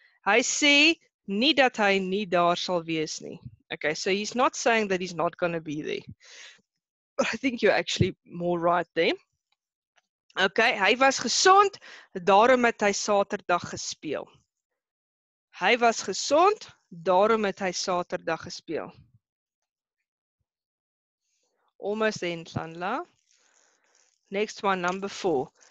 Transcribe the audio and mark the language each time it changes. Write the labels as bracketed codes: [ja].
[af] Hy sê nie dat hy nie daar sal wees nie. [en] Okay, so he's not saying that he's not going to be there. But I think you're actually more right there. [af] Okay, hy was gesond, daarom het hy Saterdag gespeel. Hy was gesond, daarom het hy Saterdag gespeel. [en] Almost end, Lanla. Next one, number four.